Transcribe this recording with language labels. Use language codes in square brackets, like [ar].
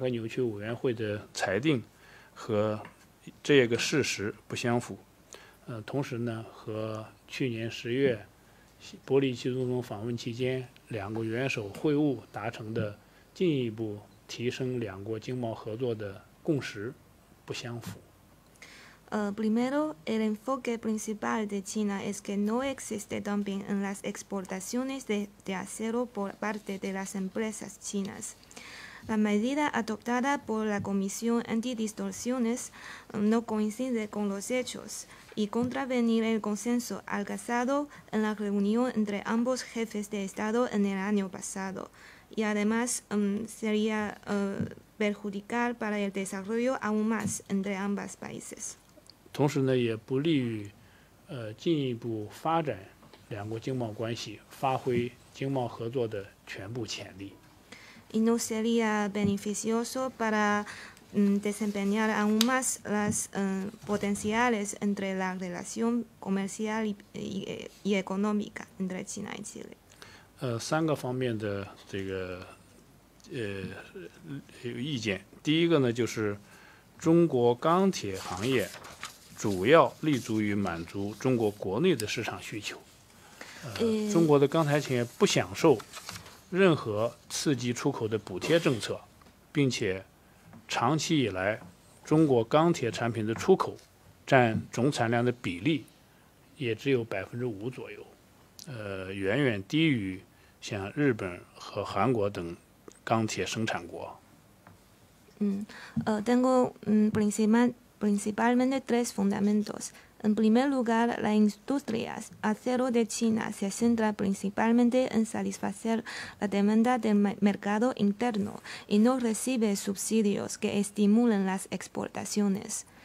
[zh] 首先呢，中方认为中国的钢材企业不存在对外进行倾销的问题，这个价格反价格扭曲委员会的裁定和 这个事实不相符。同时呢，和去年10月伯利奇总统访问期间，两国元首会晤达成的进一步提升两国经贸合作的共识不相符。 [es] Primero, el enfoque principal de China es que no existe dumping en las exportaciones de acero por parte de las empresas chinas. La medida adoptada por la Comisión Antidistorsiones no coincide con los hechos y contravenir el consenso alcanzado en la reunión entre ambos jefes de Estado en el año pasado. Y además sería perjudicar para el desarrollo aún más entre ambas países. [zh] 同时呢，也不利于进一步发展两国经贸关系，发挥经贸合作的全部潜力。 [es] Y no sería beneficioso para desempeñar aún más las potenciales entre la relación comercial y económica entre China y Chile. [zh] 三个方面的意见，第一个呢就是中国钢铁行业主要立足于满足中国国内的市场需求，中国的钢材企业不享受 任何刺激出口的补贴政策，并且长期以来，中国钢铁产品的出口占总产量的比例也只有5%左右，远远低于像日本和韩国等钢铁生产国。 [es] Tengo principalmente tres fundamentos. En primer lugar, la industria acero de China se centra principalmente en satisfacer la demanda del mercado interno y no recibe subsidios que estimulen las exportaciones.